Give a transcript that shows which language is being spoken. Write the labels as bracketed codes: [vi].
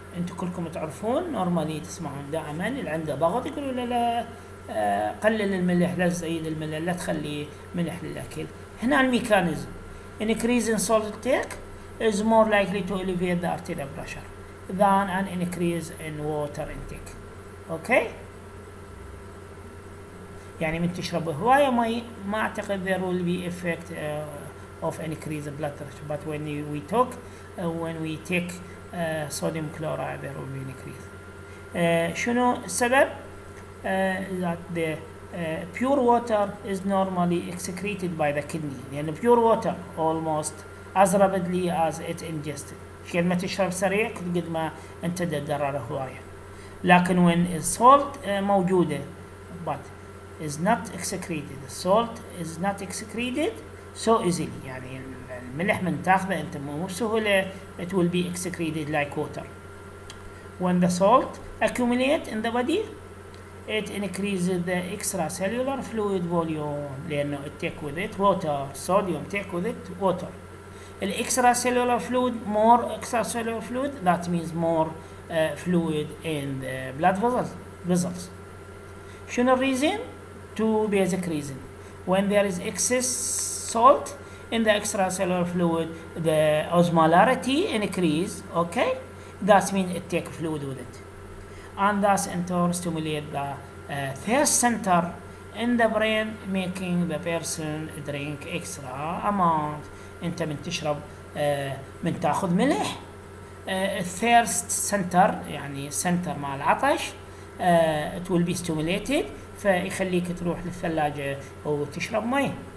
[ar] انتو كلكم تعرفون normally تسمعون دائما اللي عنده ضغط يقولوا لا قلل الملح، لا تزيد الملح، لا تخلي ملح للاكل. هنا الميكانيزم [en] increase in salt intake is more likely to elevate the arterial pressure than an increase in water intake. [ar] اوكي، يعني من تشرب هوايه مي ما اعتقد [en] there will be effect of increase in blood pressure. But when we talk when we take sodium chloride, there will be increase. [ar] شنو السبب؟ [en] that the pure water is normally excreted by the kidney. يعني pure water almost as rapidly as it ingested. [ar] قد ما تشرب سريع قد ما انت تدرر هواية. [en] لكن when salt موجودة but is not excreted, salt is not excreted so easily. [ar] يعني الملح من تاخذه انت مو بسهولة [en] it will be excreted like water. When the salt accumulate in the body, it increases the extracellular fluid volume, لأنه it take with it water, sodium take with it water. The extracellular fluid, more extracellular fluid, that means more fluid in the blood vessels. شنو reason? Two basic reason. When there is excess salt in the extracellular fluid, the osmolarity increase, okay? That means it take fluid with it. And thus in turn stimulate the thirst center in the brain, making the person drink extra amount. [ar] انت من تشرب من تاخذ ملح [en] thirst center, [ar] يعني center مع العطش, [en] it will be stimulated, [ar] فيخليك تروح للثلاجة وتشرب مي.